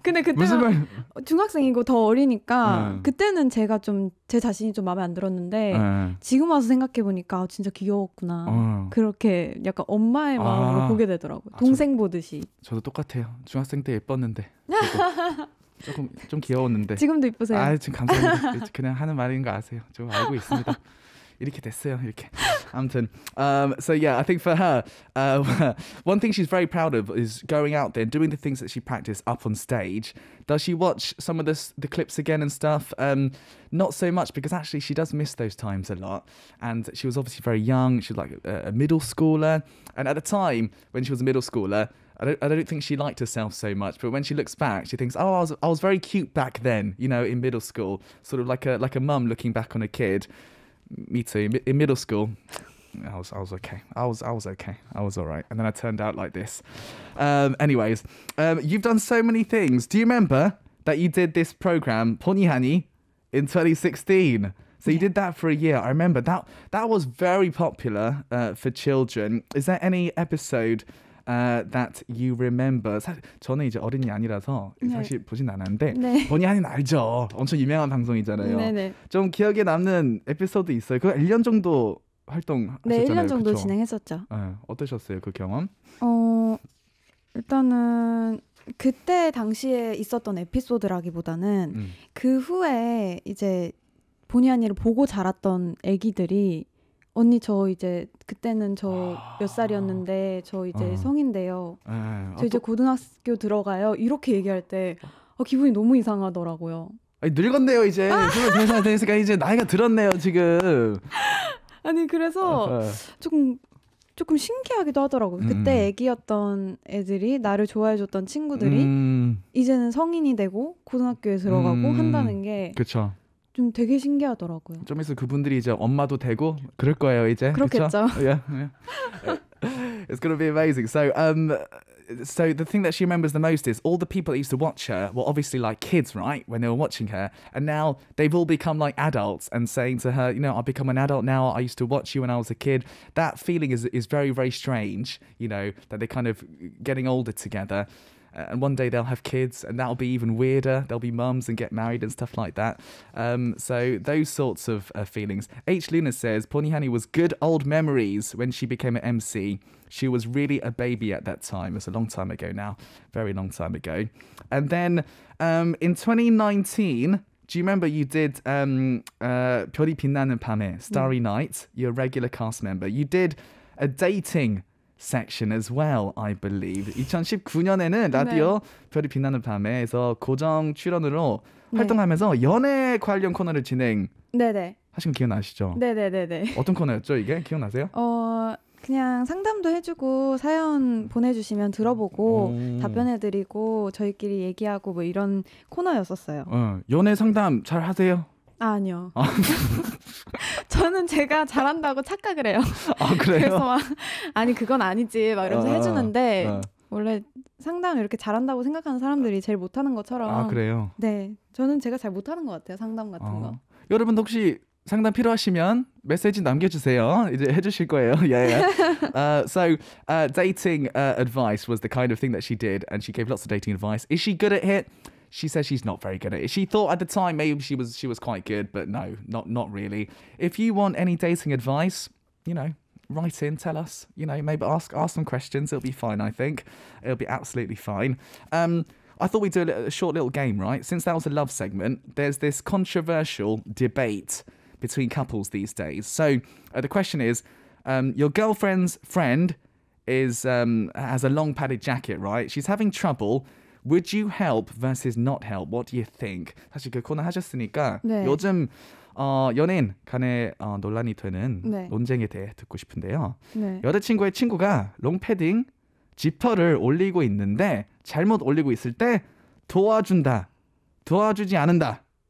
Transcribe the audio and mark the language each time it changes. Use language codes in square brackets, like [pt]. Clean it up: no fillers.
[ko] 근데 그때 중학생이고 더 어리니까 그때는 제가 좀 제 자신이 좀 마음에 안 들었는데 지금 와서 생각해 보니까 진짜 귀여웠구나. 그렇게 약간 엄마의 마음으로 보게 되더라고요. 동생 보듯이. 저도 똑같아요. 중학생 때 예뻤는데. 조금 좀 귀여웠는데 지금도 이쁘세요. 아, 지금 감사합니다. 그냥 하는 말인 거 아세요? 저 알고 있습니다. 이렇게 됐어요. 이렇게. 아무튼, [en] so yeah, I think for her, one thing she's very proud of is going out there and doing the things that she practiced up on stage. Does she watch some of the clips again and stuff? Not so much because actually she does miss those times a lot. And she was obviously very young. She's like a middle schooler. And at the time when she was a middle schooler. I don't think she liked herself so much, but when she looks back, she thinks, I was very cute back then, you know, in middle school, sort of like a mum looking back on a kid. Me too. In middle school, I was okay. I was okay. I was all right. And then I turned out like this. Anyways, you've done so many things. Do you remember that you did this program, Ponyhani, in 2016? So you did that for a year. I remember that was very popular for children. Is there any episode... that you remember. [ko] 저는 이제 어린이 아니라서 네. 사실 보진 않았는데 네. 본의하는 알죠. 엄청 유명한 방송이잖아요. 네네. 좀 기억에 남는 에피소드 있어요? 그 1년 정도 활동하셨잖아요. 네, 1년 정도 그쵸? 진행했었죠. 네. 어떠셨어요, 그 경험? 일단은 그때 당시에 있었던 에피소드라기보다는 그 후에 이제 본의하는 보고 자랐던 아기들이 언니 저 이제 그때는 저 몇 살이었는데 저 이제 성인데요. 에이, 저 이제 고등학교 들어가요. 이렇게 얘기할 때 기분이 너무 이상하더라고요. 아니, 늙었네요 이제. 23살 되니까 이제 나이가 들었네요 지금. 아니 그래서 조금 신기하기도 하더라고요. 그때 애기였던 애들이 나를 좋아해줬던 친구들이 이제는 성인이 되고 고등학교에 들어가고 한다는 게 그쵸. 좀 되게 신기하더라고요. 좀 있어 그분들이 이제 엄마도 되고 그럴 거예요 이제. 그렇겠죠. [en] Yeah. It's gonna be amazing. So the thing that she remembers the most is all the people that used to watch her were obviously like kids, right? When they were watching her, and now they've all become like adults and saying to her, you know, I've become an adult now. I used to watch you when I was a kid. That feeling is very very strange. You know that they're kind of getting older together. And one day they'll have kids and that'll be even weirder. They'll be mums and get married and stuff like that. So those sorts of feelings. H. Luna says, Ponyhani was good old memories when she became an MC. She was really a baby at that time. It's a long time ago now. Very long time ago. And then in 2019, do you remember you did 별이 빛나는 밤에, Starry Night, you're a regular cast member. You did a dating section as well, I believe. [ko] 2019년에는 라디오 네. 별이 빛나는 밤에에서 고정 출연으로 활동하면서 네. 연애 관련 코너를 진행 네네. 하신 거 기억나시죠? 네네네네. 어떤 코너였죠, 이게? 기억나세요? 그냥 상담도 해주고 사연 보내주시면 들어보고 답변해드리고 저희끼리 얘기하고 뭐 이런 코너였었어요. 연애 상담 잘 하세요? 아니요. 아. 저는 제가 잘한다고 착각을 해요. 아 그래요? 그래서 막 아니 그건 아니지 막 이러면서 해주는데 원래 상담 이렇게 잘한다고 생각하는 사람들이 제일 못하는 것처럼. 아 그래요? 네. 저는 제가 잘 못하는 것 같아요. 상담 같은 거. 여러분 혹시 상담 필요하시면 메시지 남겨주세요. 이제 해주실 거예요. [en] Yeah, yeah. Dating advice was the kind of thing that she did, and she gave lots of dating advice. Is she good at it? She says she's not very good at it. She thought at the time maybe she was quite good, but no, not really. If you want any dating advice, you know, write in, tell us. You know, maybe ask some questions. It'll be fine, I think. It'll be absolutely fine. I thought we'd do a short little game, right? Since that was a love segment, there's this controversial debate between couples these days. So the question is, your girlfriend's friend has a long padded jacket, right? She's having trouble. Would you help versus not help? What do you think? [ko] 사실 그 코너 하셨으니까 네. 요즘 연인 간의 논란이 되는 네. 논쟁에 대해 듣고 싶은데요. 네. 여자친구의 친구가 롱 패딩 지퍼를 올리고 있는데 잘못 올리고 있을 때 도와준다, 도와주지 않는다.